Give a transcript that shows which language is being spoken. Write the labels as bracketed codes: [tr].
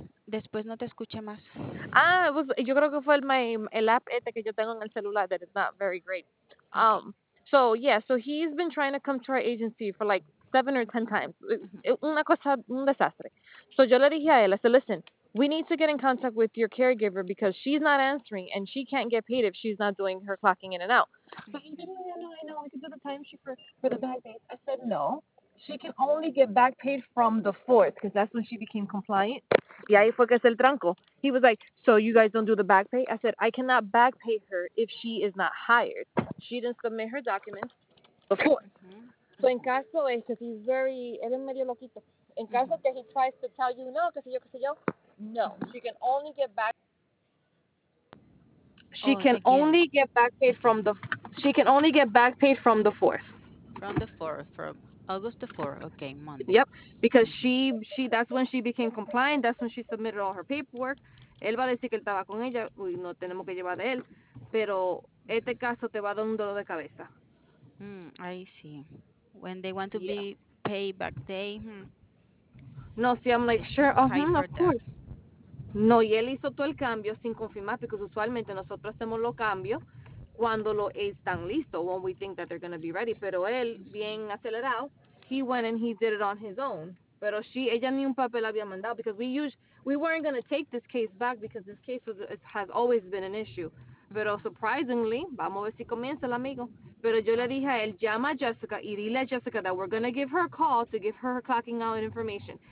[es] Después no te escuché más. Ah, yo creo que fue el app este que yo tengo en el celular [en] that is not very great. Okay. So he's been trying to come to our agency for like 7 or 10 times. [es] Una cosa, un desastre. [en] So [es] yo le dije a él, [en] I said, listen, we need to get in contact with your caregiver because she's not answering and she can't get paid if she's not doing her clocking in and out. But he said, I know, we can do the timesheet for the back days. I said, no, she can only get back paid from the 4th because that's when she became compliant. [es] Y ahí fue que se el tranco. [en] He was like, so you guys don't do the back pay? I said, I cannot back pay her if she is not hired. She didn't submit her documents before. [es] Mm-hmm. So in caso es, [en] because he's very, [es] él es medio loquito. In caso mm-hmm. que [en] he tries to tell you no, [es] que se yo, no. [en] She can only get back. She oh, can only get back paid from the, she can only get back paid from the 4th. From the 4th, from August the 4th, okay, Monday. Yep, because she, that's when she became compliant, that's when she submitted all her paperwork. [es] Él va a decir que él estaba con ella, uy, no tenemos que llevar de él, pero este caso te va a dar un dolor de cabeza. [en] Mm, I see. When they want to be paid back day. Hmm. No, see, I'm like, sure, of course. [es] No, y él hizo todo el cambio sin confirmar, [en] because [es] usualmente nosotros hacemos los cambios cuando lo están listos, [en] when we think that they're going to be ready. [es] Pero él, bien acelerado, [en] he went and he did it on his own. Pero she, [es] ella ni un papel había mandado, [en] because we weren't going to take this case back, because this case has always been an issue. [es] Pero surprisingly, vamos a ver si comienza el amigo. Pero yo le dije a él, llama a Jessica y dile a Jessica [en] that we're going to give her a call to give her her clocking out information.